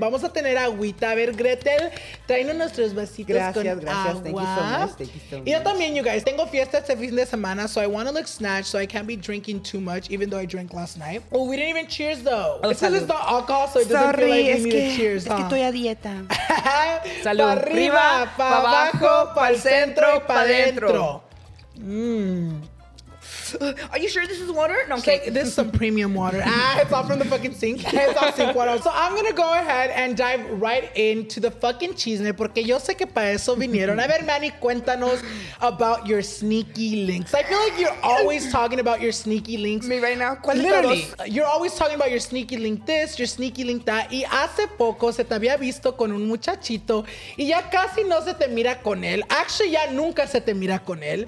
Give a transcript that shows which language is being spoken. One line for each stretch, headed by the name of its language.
Spanish: Vamos a tener agüita. A ver, Gretel, tráenos nuestros vasitos con agua.
English: Thank you so much.
Spanish: Y yo también,
English: you guys.
Spanish: Tengo fiesta este fin de semana,
English: so I want to look snatched, so I can't be drinking too much, even though I drank last night. Oh, we didn't even cheers, though. Because it's not alcohol, so it doesn't feel like we need to cheers,
Spanish: huh? Es que estoy a dieta. Salud. Pa' arriba, pa' abajo, pa' el centro, pa' dentro.
English: Are you sure this is water? No, I'm kidding. This is some premium water. It's all from the fucking sink. It's all sink water. So I'm going to go ahead and dive right into the fucking chisme,
Spanish: porque yo sé que para eso vinieron. A ver, Manny, cuéntanos
English: about your sneaky links. I feel like you're always talking about your sneaky links. Me right now? Literally. You're always talking about your sneaky link this, your sneaky link that.
Spanish: Y hace poco se te había visto con un muchachito y ya casi no se te mira con él.
English: Actually,
Spanish: ya nunca se te mira con él.